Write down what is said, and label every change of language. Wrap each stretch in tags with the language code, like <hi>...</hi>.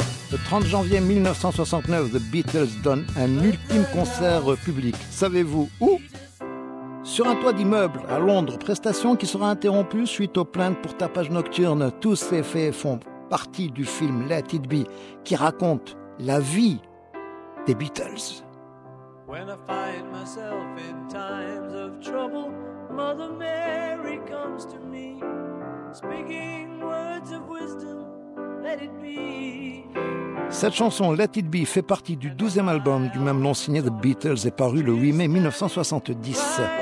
<fr>Le 30 janvier 1969, The Beatles donne un ultime concert public. Savez-vous où ? Sur un toit d'immeuble à Londres. Prestation qui sera interrompue suite aux plaintes pour tapage nocturne. Tous ces faits font partie du film Let It Be, qui raconte la vie des Beatles.</fr> <en>When I find myself in times of trouble, Mother Mary comes to me, speaking words of wisdom, let it be.</en> <fr>Cette chanson, Let It Be, fait partie du 12e album du même nom signé The Beatles et paru le 8 mai 1970.</fr>